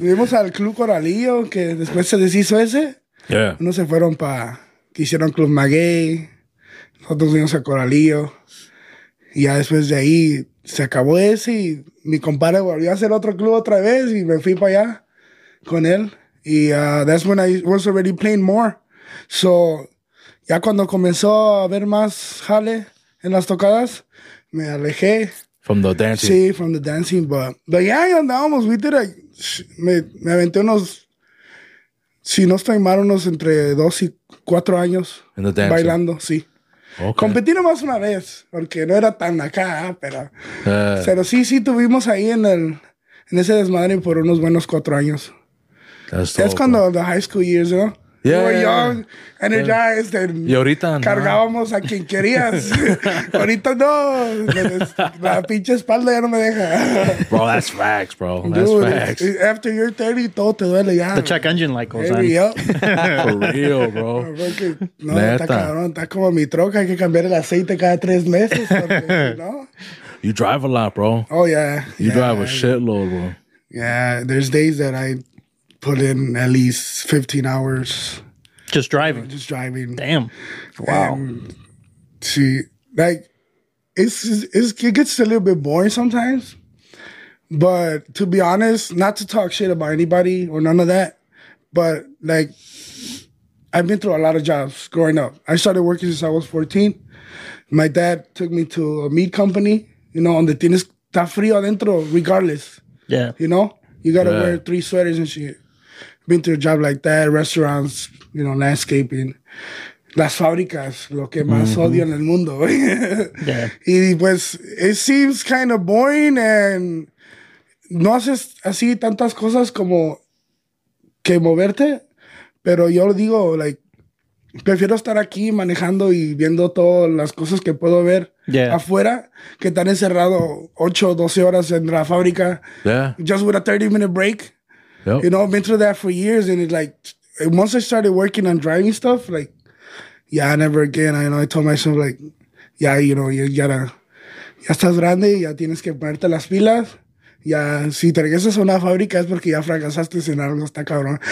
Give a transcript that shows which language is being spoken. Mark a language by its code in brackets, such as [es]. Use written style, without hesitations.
[es] Vimos al Club Coralillo, que después se deshizo ese. [en] Yeah. [es] Uno se fueron para que hicieron Club Maguey. Nosotros vimos a Coralillo. Y ya después de ahí se acabó ese y mi compadre volvió a hacer otro club otra vez y me fui para allá con él. [en] Y that's when I was already playing more. [es] So, ya cuando comenzó a haber más jale en las tocadas, me alejé. [en] From the dancing. Sí, from the dancing. But yeah, [es] ahí andábamos. [en] We did a, [es] me aventé unos, si no estoy mal, unos entre 2 y 4 años [en] in the dancing. [es] Bailando, sí. Okay. Competí nomás una vez, porque no era tan acá, pero sí, tuvimos ahí en ese desmadre por unos buenos 4 años. [en] That's cuando the high school years, ¿no? Yeah. We were young, energized, and [es] y ahorita, cargábamos a quien querías. Ahorita no, la pinche espalda ya no me deja. [en] Bro, that's facts, bro. Dude, that's facts. After you're 30, [es] todo te duele ya. [en] The check engine light goes on. Yep. For real, bro. [es] No, está cabrón, está como mi troca, hay que cambiar el aceite cada 3 meses. Porque, [en] you know? You drive a lot, bro. Oh, yeah. You drive a shitload, bro. Yeah, there's days that I put in at least 15 hours. Just driving? Just driving. Damn. Wow. It gets a little bit boring sometimes. But to be honest, not to talk shit about anybody or none of that, but like, I've been through a lot of jobs growing up. I started working since I was 14. My dad took me to a meat company, you know, on the [es] tienes está frío adentro, [en] regardless. Yeah. You know? You got to wear 3 sweaters and shit. Been to a job like that, restaurants, you know, landscaping. [es] Las fábricas, lo que más odio en el mundo. [en] Yeah. [es] Y pues, [en] it seems kind of boring and [es] no haces así tantas cosas como que moverte. Pero yo lo digo, like, prefiero estar aquí manejando y viendo todas las cosas que puedo ver afuera que estar encerrado 8 o 12 horas en la fábrica. [en] Yeah. Just with a 30-minute break. Yep. You know, I've been through that for years, and it's like, once I started working on driving stuff, like, yeah, never again. I, you know, I told myself, like, yeah, you know, you gotta, [es] ya estás grande, ya tienes que ponerte las pilas, ya, si te regresas a una fábrica es porque ya fracasaste en algo, está cabrón.